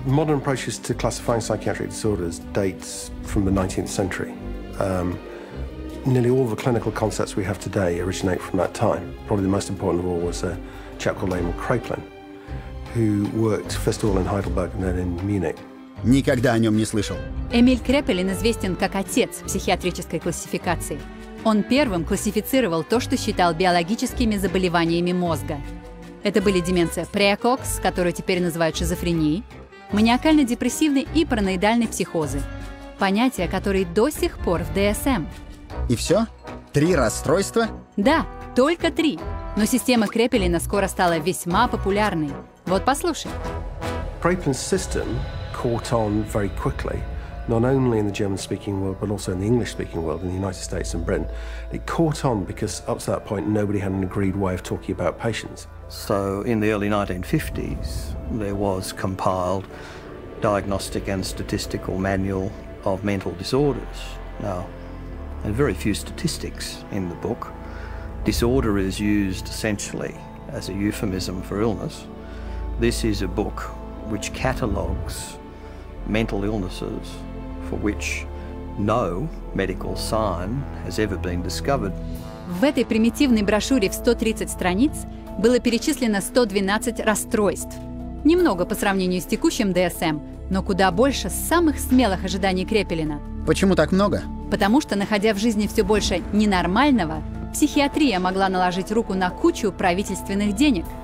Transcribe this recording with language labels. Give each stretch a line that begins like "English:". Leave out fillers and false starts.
English: Modern approaches to classifying psychiatric disorders dates from the 19th century. nearly all the clinical concepts we have today originate from that time. Probably the most important of all was a chap called Emil Kraepelin, who worked first of all in Heidelberg and then in Munich.
Russian: Никогда о нем не слышал. Эмиль Крепелин известен как отец психиатрической классификации. Он первым классифицировал то, что считал биологическими заболеваниями мозга. Это были деменция прекокс, которую теперь называют шизофренией, маниакально-депрессивные и параноидальные психозы. Понятия, которые до сих пор в DSM. И все? Три расстройства? Да, только три. Но система Крепелина скоро стала весьма популярной. Вот послушай.
English: Крепелин's system caught on very quickly, not only in the German-speaking world, but also in the English-speaking world, in the United States and Britain. It caught on because up to that point, nobody had an agreed way of talking about patients. So in the early 1950s, there was compiled diagnostic and statistical manual of mental disorders. Now, there are very few statistics in the book. Disorder is used essentially as a euphemism for illness. This is a book which catalogues mental illnesses for which no medical sign has ever been discovered.
Russian: В этой примитивной брошюре в 130 страниц было перечислено 112 расстройств. Немного по сравнению с текущим DSM, но куда больше самых смелых ожиданий Крепелина. Почему так много? Потому что, находя в жизни все больше ненормального, психиатрия могла наложить руку на кучу правительственных денег.